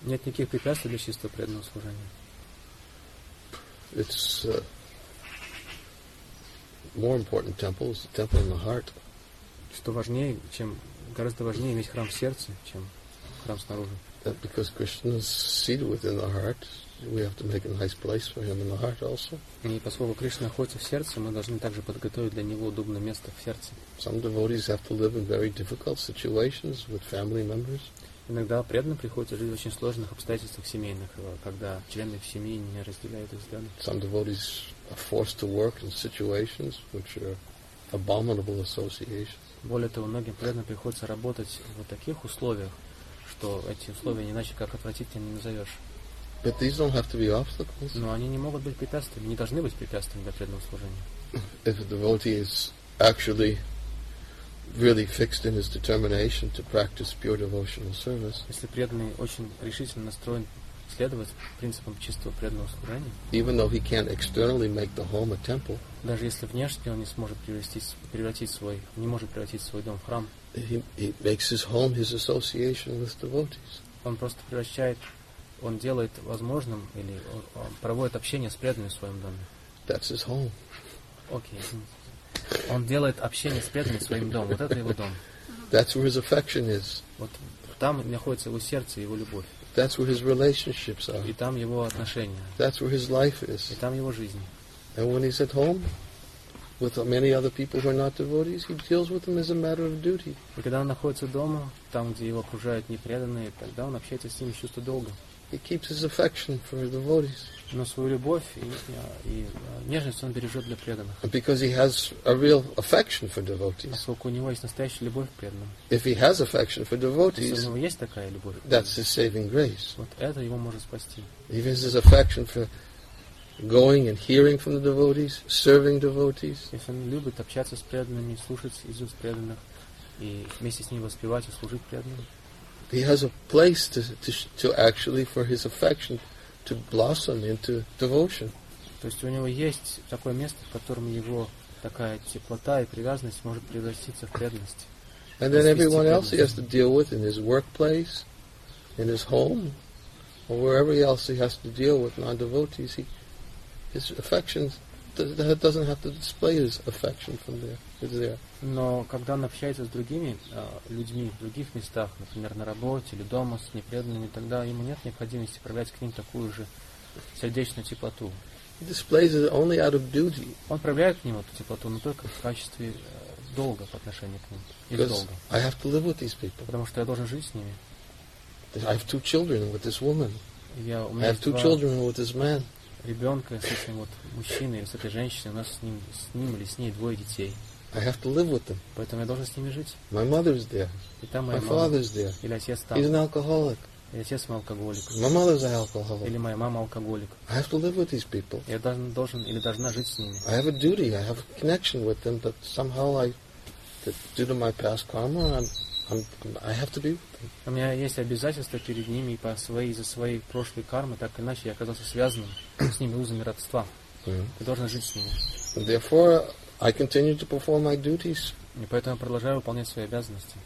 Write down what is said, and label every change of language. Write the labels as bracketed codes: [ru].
[ru] Нет никаких препятствий для чистого преданного служения. [en] It's more important temple is the temple in the heart. [ru] Что важнее, чем гораздо важнее иметь храм в сердце, чем храм снаружи. [en] That because Krishna is seated within the heart, we have to make a nice place for him in the heart also. [ru] И поскольку Кришна находится в сердце, мы должны также подготовить для него удобное место в сердце. [en] Some devotees have to live in very difficult situations with family members. [ru] Иногда преданным приходится жить в очень сложных обстоятельствах семейных, когда члены в семье не разделяют взгляды. [en] Some devotees are forced to work in situations which are abominable associations. [ru] Более того, многим преданным приходится работать в таких условиях, что эти условия иначе как отвратительными не назовешь. [en] But these don't have to be obstacles. [ru] Но они не могут быть препятствиями, не должны быть препятствиями для преданного служения. [en] If a devotee is actually really fixed in his determination to practice pure devotional service. [ru] Если преданный очень решительно настроен следовать принципам чистого преданного служения. [en] Even though he can't externally make the home a temple. [ru] Даже если внешне он не сможет превратить свой дом в храм. [en] He makes his home his association with devotees. [ru] Он просто превращает, он делает возможным или он проводит общение с преданными в своем доме. [en] That's his home. Okay. [ru] Он делает общение с преданными своим домом. Вот это его дом. [en] That's where his affection is. [ru] Вот там находится его сердце, его любовь. [en] That's where his relationships are. [ru] И там его отношения. [en] That's where his life is. [ru] И там его жизнь. [en] And when he's at home with many other people who are not devotees, he deals with them as a matter of duty. [ru] И когда он находится дома, там, где его окружают непреданные, тогда он общается с ними чувство долга. [en] He keeps his affection for his devotees. [ru] Но свою любовь и нежность он бережет для преданных. [en] Because he has a real affection for devotees. [ru] Поскольку у него есть настоящая любовь к преданным. [en] If he has affection for devotees, [ru] если у него есть такая любовь, [en] that's his saving grace. [ru] Вот это его может спасти. [en] If he has his affection for going and hearing from the devotees, serving devotees. If [ru] он любит общаться с преданными, слушать из уст преданных и вместе с ними воспевать и служить преданным. [en] He has a place to actually for his affection to blossom into devotion. [ru] То есть у него есть такое место, в котором его такая теплота и привязанность может превратиться в преданность. [en] And then everyone else he has to deal with in his workplace, in his home, or wherever else he has to deal with non-devotees, his affections doesn't have to display his affection from there. [ru] Но когда он общается с другими людьми в других местах, например, на работе или дома с непреданными, тогда ему нет необходимости проявлять к ним такую же сердечную теплоту. [en] He displays it only out of duty. [ru] Он проявляет к ним эту теплоту, но только в качестве долга по отношению к ним. [en] I have to live with these people. [ru] Потому что я должен жить с ними. [en] I have two children with this woman. I have two children with this man. [ru] Ребенка с этим вот мужчиной, с этой женщиной, у нас с ним или с ней двое детей. [en] I have to live with them. [ru] Поэтому я должен с ними жить. [en] My mother is there. [ru] И там моя мама. [en] My father is there. [ru] Или отец там. [en] He's an alcoholic. [ru] И отец мой алкоголик. [en] My mother is an alcoholic. [ru] Или моя мама алкоголик. [en] I have to live with these people. [ru] Я должен или должна жить с ними. [en] I have a duty. I have a connection with them, but somehow due to my past karma, I have to be with them. [ru] У меня есть обязательства перед ними, и из-за своей прошлой кармы, так иначе я оказался связанным с ними узами родства. Ты должен жить с ними. [en] Therefore, I continue to perform my duties. [ru] И поэтому я продолжаю выполнять свои обязанности.